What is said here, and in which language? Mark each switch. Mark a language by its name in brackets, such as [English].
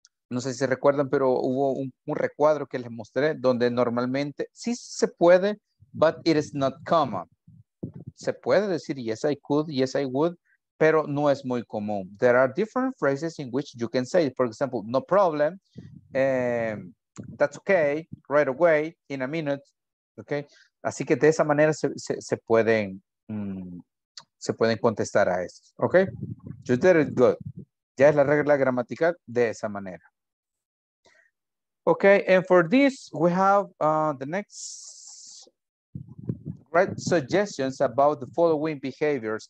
[Spanish] No sé si se recuerdan, pero hubo un recuadro que les mostré donde normalmente sí se puede, [English] but it is not common. [Spanish] Se puede decir [English] yes, I could, yes, I would, [Spanish] pero no es muy común. [English] There are different phrases in which you can say, for example, no problem, that's okay, right away, in a minute, okay? [Spanish] Así que de esa manera se pueden contestar a eso, okay? [English] You did it good. [Spanish] Ya es la regla gramatical de esa manera. [English] Okay, and for this, we have the next right suggestions about the following behaviors.